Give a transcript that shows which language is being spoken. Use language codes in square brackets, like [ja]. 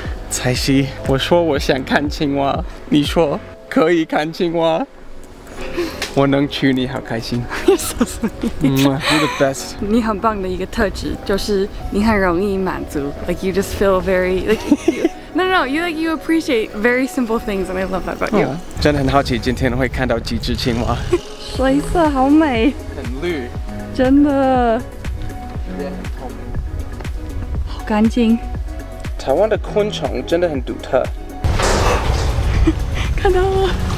[zh] 彩希，我说我想看青蛙，你说可以看青蛙。我能娶你，好开心。 [en] You're the best. [zh] 你很棒的一个特质就是你很容易满足。 [en] Like you just feel very like you, no, you like you appreciate very simple things, and I love that about you.、Oh, [zh] 真的很好奇今天会看到几只青蛙。水色好美。很绿。真的。好干净。台湾的昆虫真的很独特。看到了。